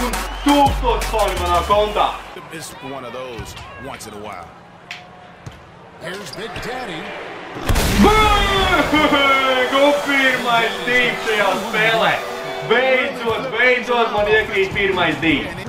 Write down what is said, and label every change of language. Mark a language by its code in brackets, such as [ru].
[lv] Un tūkstot fani manā kontā! [en] It's one of those once in a while. Here's Big Daddy! Bang! [lv] Un pirmais dīp šajā spēlē! Beidzot, beidzot man iekrīt pirmais dīp!